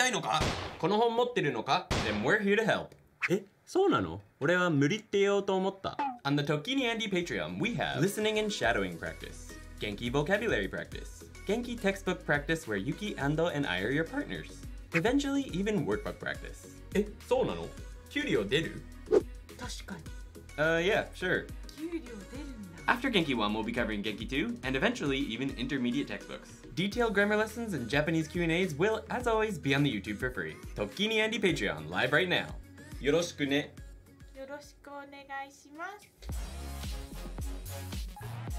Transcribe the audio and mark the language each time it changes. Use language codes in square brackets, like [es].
[ja] これと同じ風に日本語を喋れるようになりたいのか?この本持ってるのか? [en] Then we're here to help. [ja] え?そうなの? 俺は無理って言おうと思った。 [en] On the ToKini Andy Patreon, we have Listening and Shadowing Practice, Genki Vocabulary Practice, Genki Textbook Practice where Yuki, Ando, and I are your partners, eventually even Workbook Practice. [ja] え?そうなの?給料出る? 確かに。 [en] Yeah, sure. [ja] 給料出るんだ。 [en] After Genki 1, we'll be covering Genki 2, and eventually even Intermediate Textbooks. Detailed grammar lessons and Japanese Q&As will, as always, be on the YouTube for free. ToKini Andy Patreon, live right now. [ja] よろしくね。よろしくお願いします。